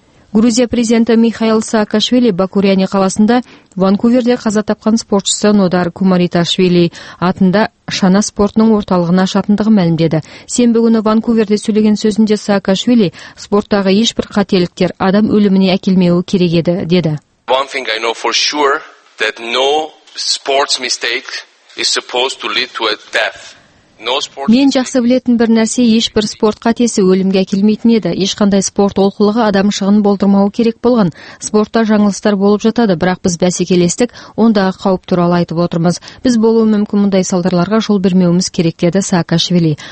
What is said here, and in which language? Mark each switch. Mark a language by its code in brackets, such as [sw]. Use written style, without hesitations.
[kk] Грузия президенті Михаил Саакашвили Бакуряне қаласында Ванкуверде қаза тапқан спортшысы Нодар Кумариташвили атында шана спортының орталығына шатындығы мәлімдеді. Сенбі күні Ванкуверде сөйлеген сөзінде Саакашвили спорттағы ешбір қателіктер адам өліміне әкелмеуі керек еді деді. [en] One thing I know for sure that no sports mistake is supposed to lead to a death. [kk] Мен жақсы білетін бір нәрсе, ешбір спорт қатесі өлімге әкелмейтін еді. Ешқандай спорт олқылығы адам шығын болдырмауы керек болған. Спортта жаңылыстар болып жатады, бірақ біз бәсекелестік, ондағы қауіп туралы айтып отырмыз. Біз болуы мүмкін мұндай салдарларға жол бермеуіміз керек деді Саакашвили.